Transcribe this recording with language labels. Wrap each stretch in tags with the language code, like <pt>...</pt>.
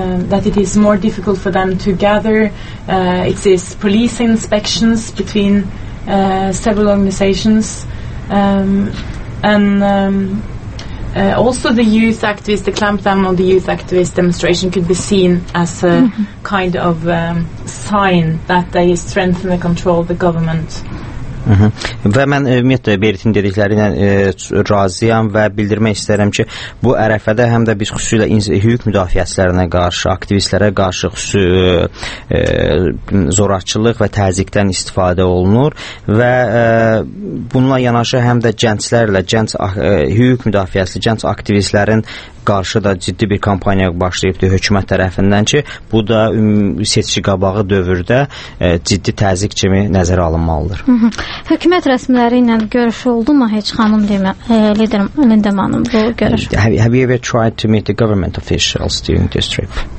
<en>That it is more difficult for them to gather. It is police inspections between several organizations. Also the youth activists, the clampdown on the youth activist demonstration could be seen as a kind of sign that they strengthen the control of the government.</en> <az>Və mən ümumiyyətlə Berit'in dedikləri ilə razıyam və bildirmək istəyirəm ki, bu ərəfədə həm də biz xüsusilə hüquq müdafiəçilərinə qarşı, aktivistlərə qarşı xüsusi zorakçılıq və təzyiqdən istifadə olunur və bununla yanaşı həm də gənclərlə, gənc hüquq müdafiəçi, gənc aktivistlərin qarşı da ciddi bir kampaniya başlayıbdır hökumət tərəfindən ki, bu da seçki qabağı dövrdə ciddi təzyiq kimi nəzərə alınmalıdır. Hökumət rəsmiləri ilə görüş oldu mu heç xanım demə, liderim Lindemanın bu görüşü?</az> <en>Have you ever tried to meet the government officials during this trip?</en>